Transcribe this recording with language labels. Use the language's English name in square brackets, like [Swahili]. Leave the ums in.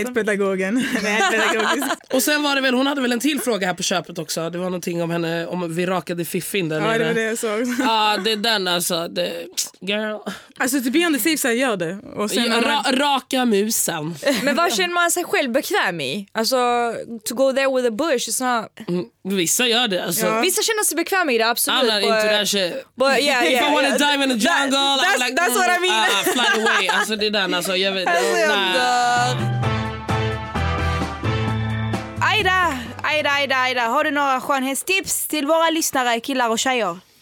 [Swedish] inte pedagogen. Nej, inte pedagogisk. Och sen var det väl, hon hade väl en till fråga här på köpet också. Det var någonting om henne, om vi rakade fiffin där Ja, det nere. var det jag sa. också. Ja, det är den alltså. Det, girl. Alltså to be on the safe side, gör det. Och sen, om Ra, man, raka musen. Men vad känner man sig själv bekväm i? [English] Alltså, to go there with a bush, it's not... [Swedish] Mm, Vissa gör det alltså. Ja. Vissa känner sig bekväma i det, absolut. [English] I'm not into but- that shit. but yeah, If I yeah, wanna yeah. dive in the jungle, I'm that's- like, that's what I mean. ah, ah, fly away. [Swedish] Alltså det är den alltså. Jag vet, nej. Aida, Aida, Aida, Aida. Har du några skönhetstips till våra lyssnare, killar och tjejer?